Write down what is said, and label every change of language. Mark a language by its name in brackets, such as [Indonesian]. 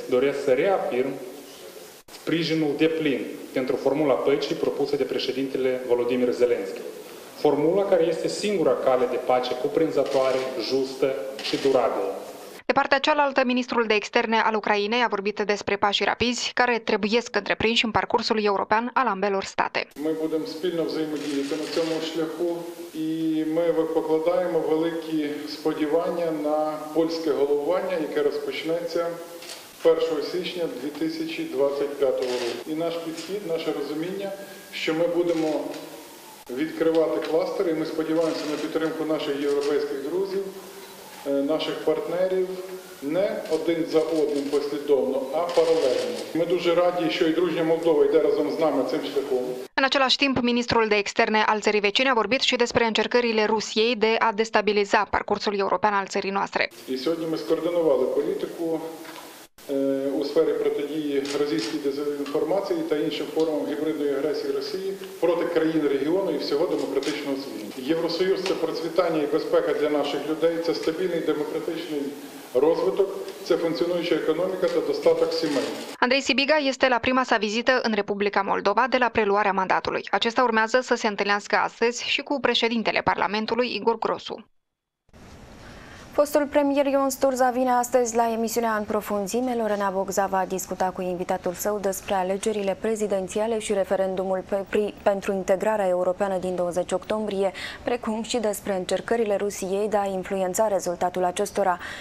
[Romanian] Doresc să reafirm sprijinul deplin pentru formula păcii propusă de președintele Volodymyr Zelensky. Formula care este singura cale de pace cuprinzătoare, justă și durabilă. De partea cealaltă, ministrul de externe al Ucrainei a vorbit despre pașii rapizi care trebuiesc întreprinși în parcursul european al ambelor state. [Ukrainian] Ми будемо спільно взаємодіяти на цьому шляху і ми покладаємо великі сподівання на польське головування, яке розпочнеться 1 січня 2025 року. І наш підхід, наше розуміння, що ми будемо відкривати кластер і ми сподіваємося на підтримку наших європейських друзів, наших партнерів не один за одним послідовно, а паралельно. Ми дуже раді, що і дружня Молдова йде разом з нами цим шляхом. [Romanian] În același timp, ministrul de externe al țării vecine a vorbit și despre încercările Rusiei de a destabiliza parcursul european al țării noastre. [Ukrainian] І сьогодні ми скоординували політику у сфері протидії російській дезінформації та іншим формам гібридної агресії Росії проти країн регіону і всього демократичного світу. Євросоюз – це процвітання і безпека для наших людей, це стабільний демократичний розвиток, це функціонуюча економіка та достаток сімей. [Romanian] Andrei Sibiga este la prima sa vizită în Republica Moldova de la preluarea mandatului. Acesta urmează să se întâlnească astăzi și cu președintele Parlamentului Igor Grosu. Fostul premier Ion Sturza vine astăzi la emisiunea În profunzime. Lorena Bogza va discuta cu invitatul său despre alegerile prezidențiale și referendumul pentru integrarea europeană din 20 octombrie, precum și despre încercările Rusiei de a influența rezultatul acestora.